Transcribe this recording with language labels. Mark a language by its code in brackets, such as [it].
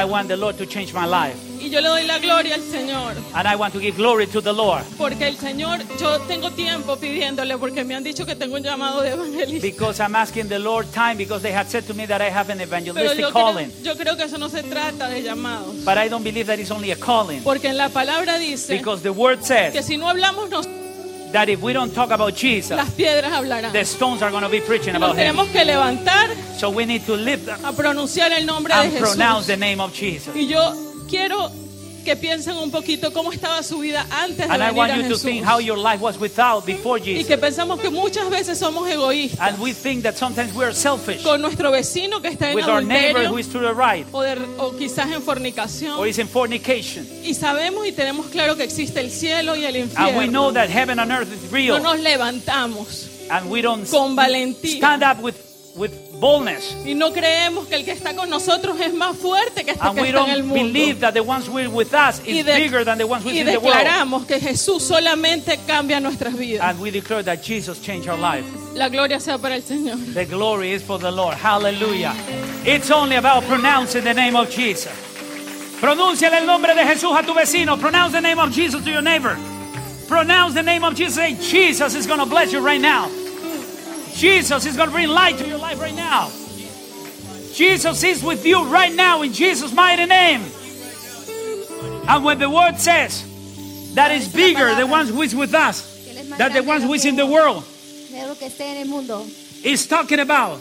[en] I want the Lord to change my life. [es] Y yo le doy la gloria al Señor. [en] And I want to give glory to the Lord. [es] Porque el Señor, yo tengo tiempo pidiéndole porque me han dicho que tengo un llamado de evangelista. [en] Because I'm asking the Lord time because they had said to me that I have an evangelistic [es] Pero yo [en] calling. [es] Yo creo que eso no se trata de llamados. [en] But I don't believe that it's only a calling. [es] Porque en la palabra dice. [en] Because the word says. [es] Que si no hablamos nos [en] that if we don't talk about Jesus, [es] las piedras hablarán. [en] The stones are going to be preaching about [es] him. Tenemos que levantar, [en] so we need to lift [es] a pronunciar el nombre [en] and [es] de Jesús. [en] Pronounce the name of Jesus. [es] Y yo quiero que piensen un poquito cómo estaba su vida antes de venir a Jesús. [en] And I want you to think how your life was without before Jesus. [es] Y que pensamos que muchas veces somos egoístas. [en] And we think that sometimes we are selfish. [es] Con nuestro vecino que está en adulterio. [en] With our neighbor who is to the right. [es] O quizás en fornicación. [en] Or is in fornication. [es] Y sabemos y tenemos claro que existe el cielo y el infierno. [en] And we know that heaven and earth is real. [es] No nos levantamos. [en] And we don't [es] con valentía. [en] Stand up with boldness. [es] Y no creemos que el que está con nosotros es más fuerte que este que está en el mundo. [en] And we don't believe that the ones who are with us is bigger than the ones who are in the world. [es] Y declaramos que Jesús solamente cambia nuestras vidas. [en] And we declare that Jesus changed our life. [es] La gloria sea para el Señor. [en] The glory is for the Lord. Hallelujah. It's only about pronouncing the name of Jesus. [es] Pronuncia el nombre de Jesús a tu vecino. [en] Pronounce the name of Jesus to your neighbor. Pronounce the name of Jesus. Say, Jesus is going to bless you right now. Jesus is going to bring light to your life right now. Jesus is with you right now in Jesus' mighty name. And when the word says that is bigger the one who is with us than the one who is in the world, he's talking about.